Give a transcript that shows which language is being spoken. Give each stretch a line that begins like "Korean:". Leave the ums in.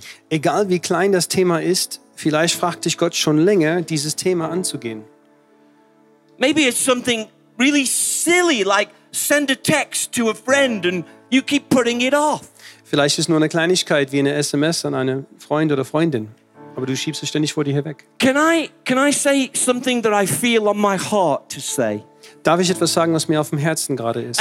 German: Egal wie klein das Thema ist, vielleicht fragt dich Gott schon länger, dieses Thema anzugehen.
English: Maybe it's something really silly like send a text to a friend and you keep putting it off.
German: Vielleicht ist es nur eine Kleinigkeit wie eine SMS an eine Freund oder Freundin, aber du schiebst es ständig vor dir hinweg. Darf ich etwas sagen, was mir auf dem Herzen gerade ist?